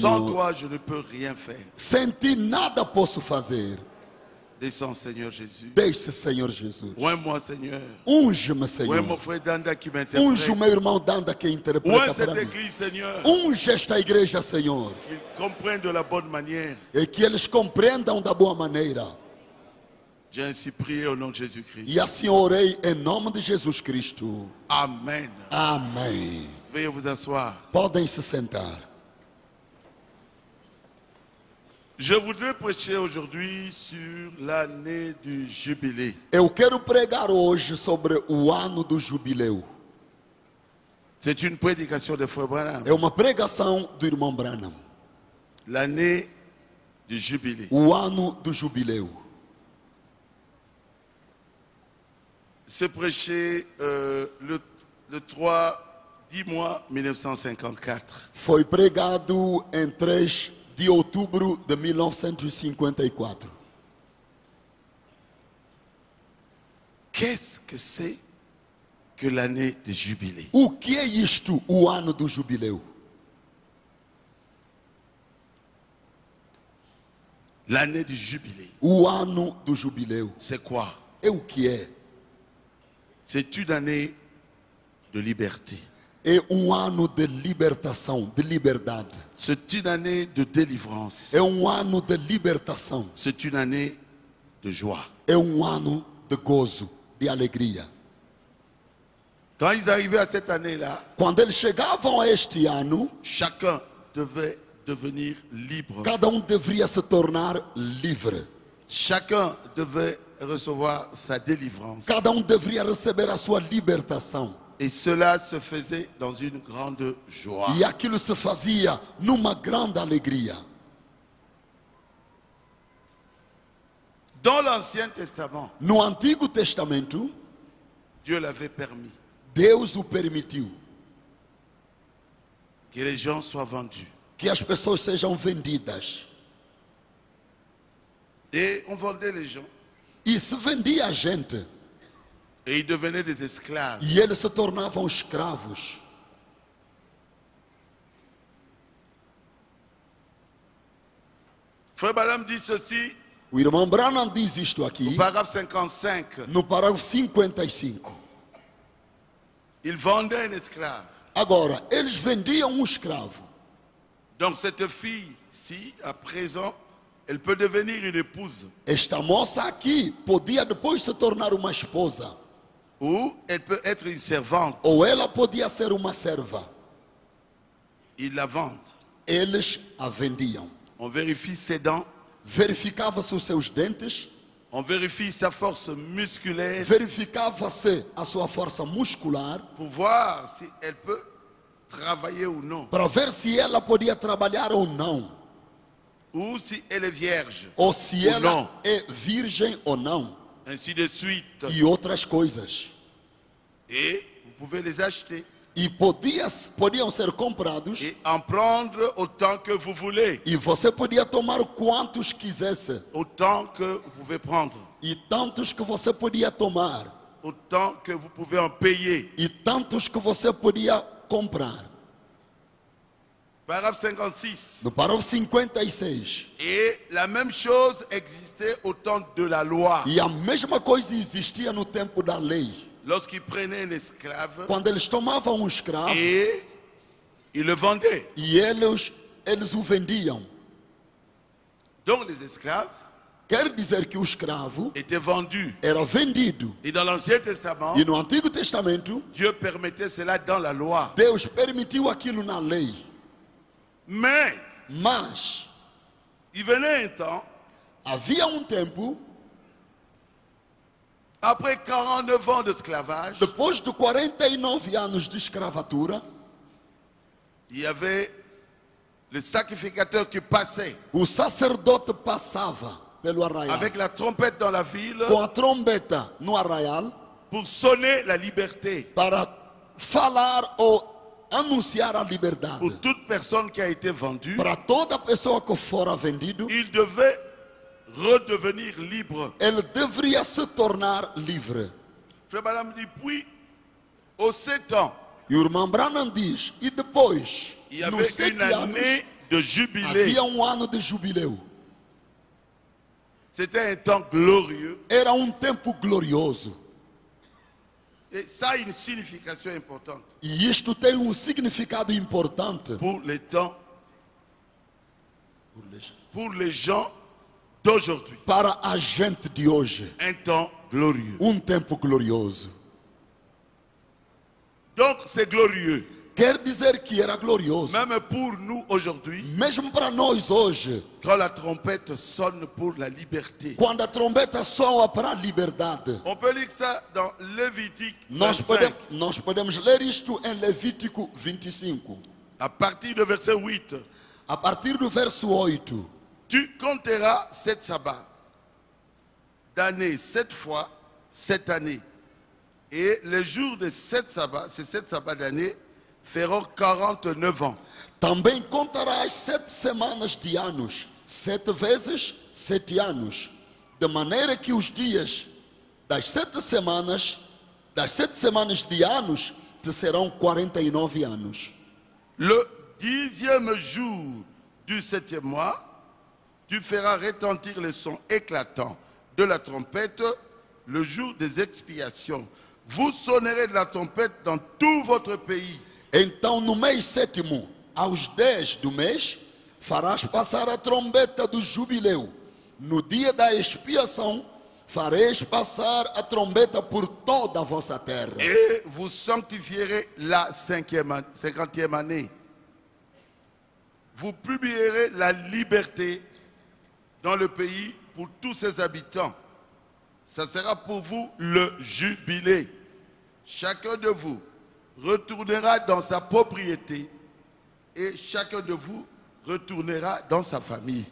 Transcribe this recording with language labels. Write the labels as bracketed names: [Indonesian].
[French] Sans toi, je ne peux rien faire. [Portuguese] Sem ti, nada posso fazer. [French] Descends, Seigneur Jésus. [Portuguese] Deixe, Senhor Jesus. [French] Oui-moi, Seigneur. [Portuguese] Unge-me, Senhor. [French] Oui-moi, frère Danda qui m'interprète. [Portuguese] Unge o meu irmão Danda que interpreta [French] oui, [Portuguese] para mim. [French] Église, Seigneur. [Portuguese] Unge esta igreja, Senhor. [French] Qu'ils comprennent de la bonne manière. [Portuguese] E que eles compreendam da boa maneira. [French] J'ai ainsi prié au nom de Jésus-Christ. [Portuguese] E assim orei em nome de Jesus Cristo. [French] Amen. [Portuguese] Amém. Venha vos asseoir. Podem se sentar. [French] Je voudrais prêcher aujourd'hui sur l'année du jubilé. [Portuguese] Eu quero pregar hoje sobre o ano do jubileu. [French] C'est une prédication de Frère Branham. [Portuguese] É uma pregação do irmão Branham. [French] L'année du jubilé. [Portuguese] O ano do jubileu. [French] C'est prêché le 3 10 mois 1954. [Portuguese] Foi pregado em 3 de outubro de 1954. [French] Qu'est-ce que c'est que l'année de jubilé? [Portuguese] O que é isto, o ano do jubileu? [French] L'année du jubilé. [Portuguese] O ano do jubileu. [French] C'est quoi? [Portuguese] É o que é? [French] C'est une année de liberté. [Portuguese] É um ano de libertação, de liberdade. [French] C'est une année de délivrance. [Portuguese] É um ano de libertação. [French] C'est une année de joie. [Portuguese] É um ano de gozo, de alegria. [French] Quand ils arrivaient à cette année-là, [Portuguese] quando eles chegavam a este ano, [French] chacun devait devenir libre. [Portuguese] Cada deveria se tornar livre. [French] Chacun devait recevoir sa délivrance. [Portuguese] Cada deveria receber a sua libertação. [French] Et cela se faisait dans une grande joie. [Portuguese] E aquilo se fazia numa grande alegria. [French] Dans l'Ancien Testament. [Portuguese] No Antigo Testamento. [French] Dieu l'avait permis. [Portuguese] Deus o permitiu. [French] Que les gens soient vendus. [Portuguese] Que as pessoas sejam vendidas. [French] Et on vendait les gens. [Portuguese] E se vendia a gente. [French] Et ils devenaient des esclaves. [Portuguese] E eles se tornavam escravos. [French] Frère Branham dit ceci. [Portuguese] O irmão Branham diz isto aqui. No parágrafo 55. No parágrafo 55. [French] Il vendait un esclave. [Portuguese] Agora, eles vendiam escravo. [French] Donc cette fille, si à présent, elle peut devenir une épouse. [Portuguese] Esta moça aqui podia depois se tornar uma esposa. [French] Ou elle peut être une servante. [Portuguese] Ou ela podia ser uma serva. [French] Ils la vendent. [Portuguese] Eles a vendiam. [French] On vérifie ses dents. [Portuguese] Verificava-se os seus dentes. [French] On vérifie sa force musculaire. [Portuguese] Verificava-se a sua força muscular. [French] Pour voir si elle peut travailler ou non. [Portuguese] Para ver se ela podia trabalhar ou não. [French] Ou si elle est vierge. [Portuguese] Ou se ou ela [French] non. [Portuguese] É virgem ou não. [French] Ainsi de suite. [Portuguese] E outras coisas. [French] Et vous pouvez les acheter. [Portuguese] E podiam ser comprados. [French] Et en prendre autant que vous voulez. [Portuguese] E você podia tomar quantos quisesse. [French] Autant que vous pouvez prendre. [Portuguese] E tantos que você podia tomar. [French] Autant que vous pouvez en payer. [Portuguese] E tantos que você podia comprar. [French] Paragraphe 56. [Portuguese] No parágrafo 56. [French] Et la même chose existait au temps de la loi. [Portuguese] E a mesma coisa existia no tempo da lei. [French] Lorsqu'ils prenaient un esclave. [Portuguese] Quando eles tomavam escravo. [French] Et ils le vendaient. [Portuguese] E eles o vendiam. [French] Donc les esclaves. [Portuguese] Quer dizer que o escravo [French] était vendu. [Portuguese] Era vendido. [French] Et dans l'Ancien Testament, [Portuguese] e no Antigo Testamento, [French] Dieu permettait cela dans la loi. [Portuguese] Deus permitiu aquilo na lei. Mas [French] il venait un temps, [Portuguese] havia um tempo, [French] après 49 ans d'esclavage, [Portuguese] depois de 49 anos de escravatura, [French] il y avait le sacrificateur qui passait. [Portuguese] O sacerdote passava pelo arraial. [French] Avec la trompette dans la ville. [Portuguese] Com a trombeta no arraial. [French] Pour sonner la liberté. [Portuguese] Para falar ou anunciar a liberdade. [French] Pour toute personne qui a été vendue. [Portuguese] Para toda pessoa que fora vendido. [French] Il devait redevenir libre. [Portuguese] Ele deveria se tornar livre. [French] Frère Branham dit, puis, aux 7 ans. [Portuguese] E o irmão Branham diz, e depois, nos 7 anos, [French] de jubilé. [Portuguese] Havia ano de jubileu. [French] C'était un temps glorieux. [Portuguese] Era um tempo glorioso. [French] Et ça a une signification importante. [Portuguese] E isto tem significado importante. [French] Pour les temps. Pour les gens d'aujourd'hui. [Portuguese] Para a gente de hoje. [French] Un temps glorieux. [Portuguese] Tempo glorioso. [French] Donc c'est glorieux. [Portuguese] Quer dizer que era glorioso. [French] Même pour nous aujourd'hui. [Portuguese] Mesmo para nós hoje. [French] Quand la trompette sonne pour la liberté. [Portuguese] Quando a trombeta soa para a liberdade. [French] On peut lire ça dans Levitique 25. [Portuguese] Nós podemos ler isto em Levítico 25. [French] À partir de verset 8. [Portuguese] A partir do verso 8. [French] Tu compteras 7 sabbats. D'année 7 fois 7 années. Et les jours de 7 sabbats, c'est 7 sabbats d'année. Feront 49 ans. [Portuguese] Também contarás 7 semanas de anos, 7 vezes 7 anos, de maneira que os dias das 7 semanas, das 7 semanas de anos, te serão 49 anos. [French] Le 10e jour du 7e mois, tu feras retentir le son éclatant de la trompette, le jour des expiations. Vous sonnerez de la trompette dans tout votre pays. [Portuguese] Então no mês sétimo, aos 10 do mês, farás passar a trombeta do jubileu. No dia da expiação, fareis passar a trombeta por toda a vossa terra. [French] E vous sanctifierez la 50e année. Vous publierez la liberté dans le pays pour tous ses habitants. Ça sera pour vous le jubilé. Chacun de vous retournera dans sa propriété et chacun de vous retournera dans sa famille.